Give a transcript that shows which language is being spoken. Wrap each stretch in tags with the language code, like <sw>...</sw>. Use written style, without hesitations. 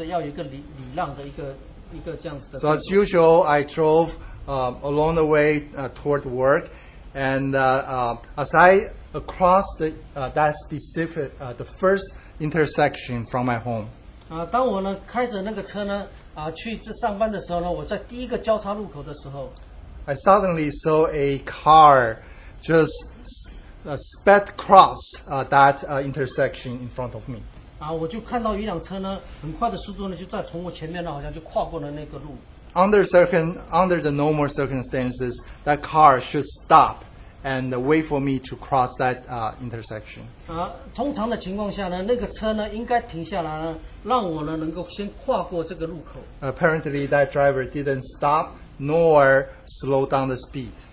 <zh>在通常呢，人要跨过那条路的时候呢，他们通常要停下来呢，或者要有一个礼让的一个这样子的。</zh> <en>So as usual, I drove along the way toward work, and as I crossed that specific the first intersection from my home.</en> <zh>当我呢开着那个车呢，去上班的时候呢，我在第一个交叉路口的时候</zh> <en>，I suddenly saw a car just sped across that intersection in front of me.</en> <zh>我就看到一辆车呢，很快的速度呢，就在从我前面呢，好像就跨过了那个路。</zh> <en>Under the normal circumstances, that car should stop and wait for me to cross that intersection.</en> <zh>通常的情况下呢，那个车呢应该停下来呢，让我呢能够先跨过这个路口。</zh> <en>Apparently, that driver didn't stop nor slow down the speed.</en>